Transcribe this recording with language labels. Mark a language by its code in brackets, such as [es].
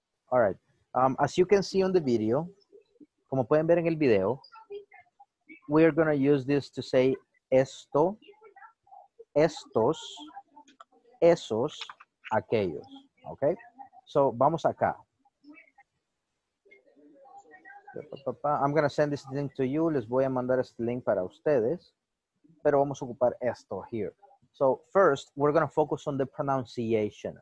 [en] All right. As you can see on the video, [es] como pueden ver en el video, [en] we're going to use this to say [es] esto, estos, esos, aquellos. [en] Okay? So, [es] vamos acá. [en] I'm going to send this link to you. [es] Les voy a mandar este link para ustedes. Pero vamos a ocupar esto here. [en] So, first, we're going to focus on the pronunciation.